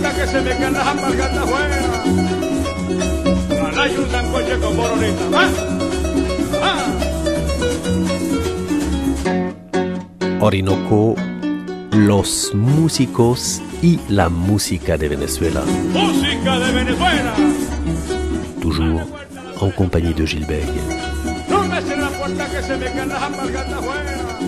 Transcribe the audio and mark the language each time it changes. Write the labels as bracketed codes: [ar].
[es] se me caen las amargas afuera. Ojalá y un sancoche con boronita. ¡Va! Orinoco, los músicos y la música de Venezuela. Música de Venezuela. [fr] Toujours en compagnie de Gilles Bègue. [es] No me cierres la puerta que se me caen las amargas afuera.